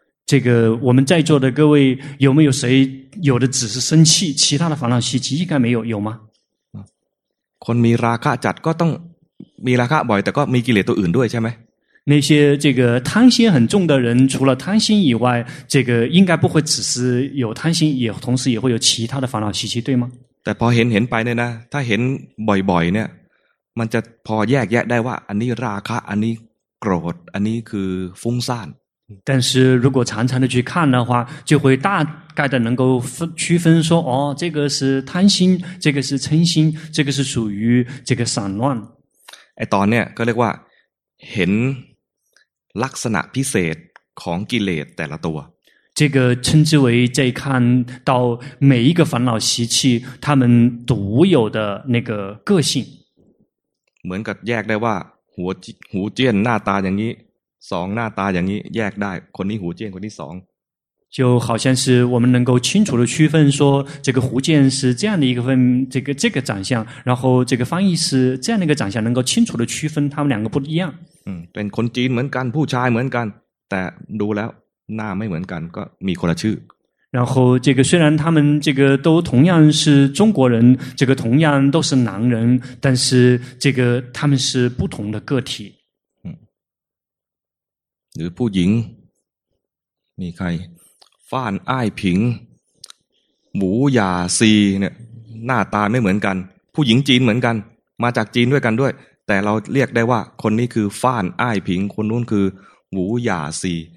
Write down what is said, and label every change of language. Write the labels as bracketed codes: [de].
[zh] 这个我们在座的各位有没有谁有的只是生气其他的烦恼习气应该没有有吗 [th] คนมีราคะจัดก็ต้องมีราคะบ่อยแต่ก็มีกิเลสตัวอื่นด้วยใช่ไหม [zh] 那些这个贪心很重的人除了贪心以外这个应该不会只是有贪心也同时也会有其他的烦恼习气对吗 [th] แต่พอเห็นไปเนี่ยนะถ้าเห็นบ่อยๆเนี่ยมันจะพอแยกแยะได้ว่าอันนี้ราคะอันนี้โกรธอันนี้คือฟุ้งซ่าน [zh] 但是如果常常的去看的话就会大概的能够区分说哦这个是贪心这个是嗔心这个是属于这个散乱 [th] ไอ้ตอนเนี่ยก็เรียกว่าเห็นลักษณะพิเศษของกิเลสแต่ละตัว [zh] 这个称之为在看到每一个烦恼习气他们独有的那个个性 [th] เหมือนกับแยกได้ว่าหูเจี้ยนหน้าตาอย่างนี้สองหน้าตาอย่างนี้แยกได้คนนี้หูเจี้ยนคนนี้สอง [zh] 就好像是我们能够清楚的区分说这个胡建是这样的一个分这个长相然后这个方义是这样的一个长相能够清楚的区分他们两个不一样 [th] 嗯เป็นคนจีนเหมือนกันผู้ชายเหมือนกันแต่ดูแล้วหน้าไม่เหมือนกันก็มีคนละชื่อ [zh] 然后这个虽然他们这个都同样是中国人这个同样都是男人但是这个他们是不同的个体 [th] หรือผู้หญิงมีใครฟ้านอ้ายผิงหมูหย่าซีเนี่ยหน้าตาไม่เหมือนกันผู้หญิงจีนเหมือนกันมาจากจีนด้วยกันด้วยแต่เราเรียกได้ว่าคนนี้คือฟ้านอ้ายผิงคนนู้นคือหมูหย่าซี